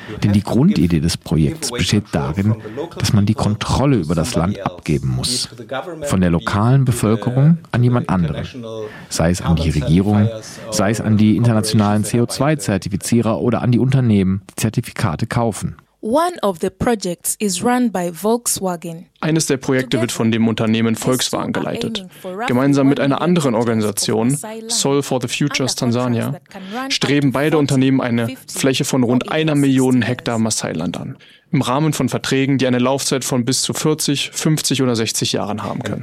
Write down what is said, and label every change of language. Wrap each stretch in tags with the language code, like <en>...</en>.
<de>Denn die Grundidee des Projekts besteht darin, dass man die Kontrolle über das Land abgeben muss. Von der lokalen Bevölkerung an jemand anderen. Sei es an die Regierung, sei es an die internationalen CO2-Zertifizierer oder an die Unternehmen, die Zertifikate kaufen.</de> <en>One of the projects is run by Volkswagen.</en> <de>Eines der Projekte wird von dem Unternehmen Volkswagen geleitet. Gemeinsam mit einer anderen Organisation, Soil for the Futures Tanzania, streben beide Unternehmen eine Fläche von rund 1 Million Hektar Maasai-Land an. Im Rahmen von Verträgen, die eine Laufzeit von bis zu 40, 50 oder 60 Jahren haben können.</de>